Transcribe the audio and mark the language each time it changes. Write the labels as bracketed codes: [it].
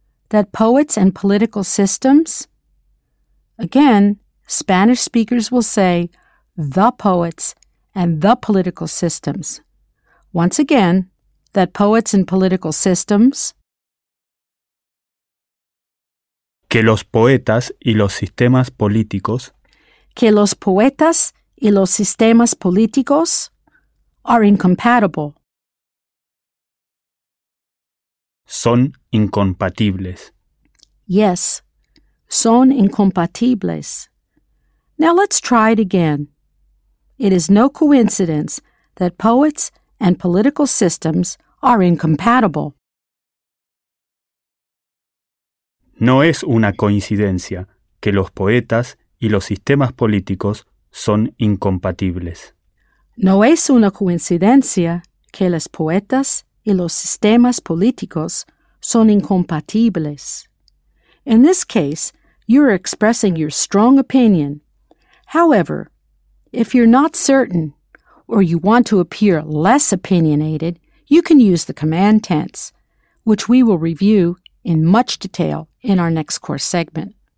[en] That poets and political systems? Again, Spanish speakers will say the poets and the political systems. Once again, that poets and political systems? [es] Que los poetas y los sistemas políticos. Que los poetas y los sistemas políticos [en] are incompatible. [es] Son incompatibles. Yes, son incompatibles. [en] Now let's try it again. It is no coincidence that poets and political systems are incompatible. [es] No es una coincidencia que los poetas y los sistemas políticos son incompatibles. No es una coincidencia que los poetas y los sistemas políticos son incompatibles. [en] In this case, you're expressing your strong opinion. However, if you're not certain or you want to appear less opinionated, you can use the command tense, which we will review in much detail in our next course segment.